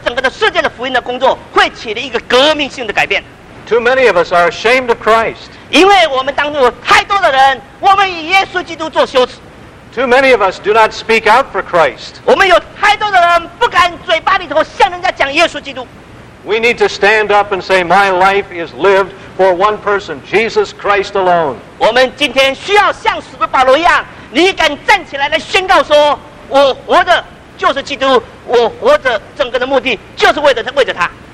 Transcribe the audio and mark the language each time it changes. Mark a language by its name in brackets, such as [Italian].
[Chinese] 还有我相信，假如今天所有的耶稣基督的门徒，所有的每一个基督徒，我们都跟使徒保罗一样的话，今天整个的世界就不一样。这个整个的世界的福音的工作会起了一个革命性的改变。 [English] Too many of us are ashamed of Christ. [Chinese] 因为我们当中有太多的人，我们以耶稣基督做羞耻。 [English] Too many of us do not speak out for Christ. [Chinese] 我们有太多的人不敢嘴巴里头向人家讲耶稣基督。 [English] We need to stand up and say, my life is lived for one person, Jesus Christ alone. [Chinese] 我们今天需要像使徒保罗一样，你敢站起来来宣告说，我活着就是基督，我活着整个的目的就是为着他。